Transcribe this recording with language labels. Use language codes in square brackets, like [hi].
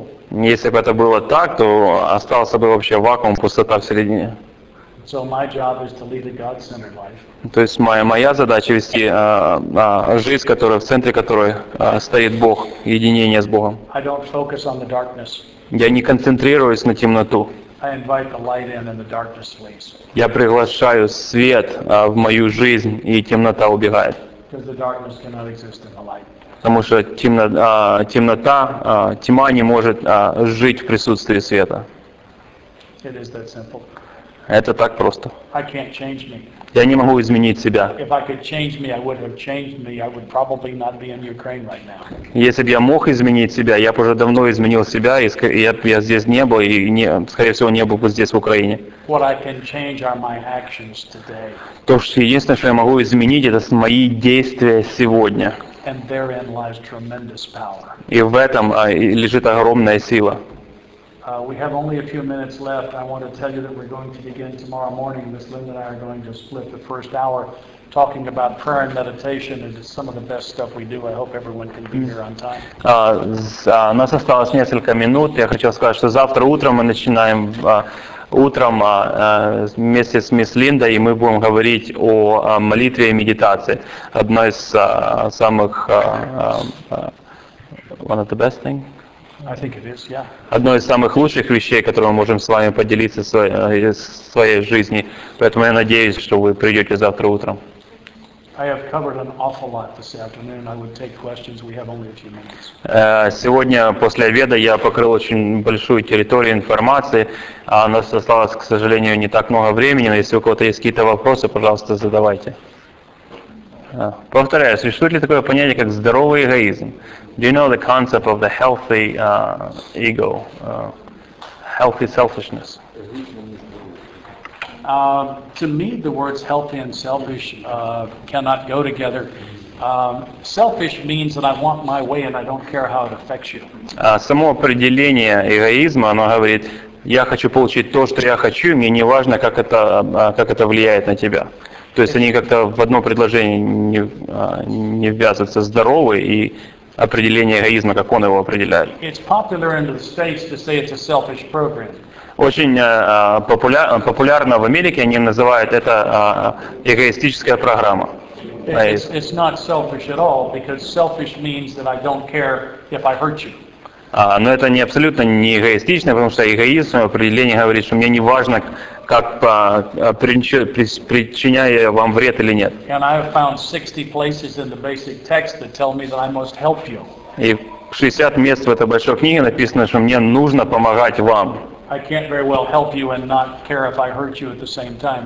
[ru] Если бы это было так, то остался бы вообще вакуум, пустота в середине. [en] So my job is to lead a God-centered life. [ru] То есть моя задача вести жизнь, которая в центре которой стоит Бог, единение с Богом. [en] I don't focus on the darkness. [ru] Я не концентрируюсь на темноту. [en] I invite the light in and the darkness flees. [ru] Я приглашаю свет в мою жизнь, и темнота убегает. [en] Because the darkness cannot exist in the light. [ru] Потому что темнота, тьма не может жить в присутствии света. [en] It is that simple. [ru] Это так просто. [en] I can't change me. [ru] Я не могу изменить себя. [en] If I could change me, I would have changed me. I would probably not be in Ukraine right now. [ru] Если бы я мог изменить себя, я бы уже давно изменил себя, и я здесь не был, и скорее всего, не был бы здесь, в Украине. [en] What I can change are my actions today. [ru] То, что единственное, что я могу изменить, это мои действия сегодня. [en] And therein lies tremendous power. [ru] И в этом лежит огромная сила. [en] We have only a few minutes left. I want to tell you that we're going to begin tomorrow morning. Miss Linda and I are going to split the first hour talking about prayer and meditation, and it's some of the best stuff we do. I hope everyone can be here on time. [ru] Нас осталось несколько минут. Я хочу сказать, что завтра утром мы начинаем вместе с мисс Линдой, и мы будем говорить о молитве и медитации. Одно из самых [en] one of the best things. I think it is, yeah. [ru] Одно из самых лучших вещей, которые мы можем с вами поделиться своей жизни. Поэтому я надеюсь, что вы придете завтра утром. [en] I have covered an awful lot this afternoon. I would take questions. We have only a few minutes. [ru] Сегодня после обеда я покрыл очень большую территорию информации. А у нас осталось, к сожалению, не так много времени. Но если у кого-то есть какие-то вопросы, пожалуйста, задавайте. Повторяю, существует ли такое понятие, как здоровый эгоизм? [en] Do you know the concept of the healthy ego, healthy selfishness? To me, the words healthy and selfish cannot go together. Selfish means that I want my way and I don't care how it affects you. [ru] Само определение эгоизма, оно говорит, я хочу получить то, что я хочу, мне не важно, как это влияет на тебя. То есть они как-то в одно предложение не ввязываются. Здоровый и определение эгоизма, как он его определяет. [en] It's popular in the States to say it's a selfish program. [ru] Очень популярно в Америке они называют это эгоистическая программа. [en] It's not selfish at all, because selfish means that I don't care if I hurt you. [ru] Но это не абсолютно не эгоистично, потому что эгоизм в определении говорит, что мне не важно, как причиняю я вам вред или нет. [en] And I have found 60 places in the basic text that tell me that I must help you. [ru] И 60 мест в этой большой книге написано, что мне нужно помогать вам. [en] I can't very well help you and not care if I hurt you at the same time.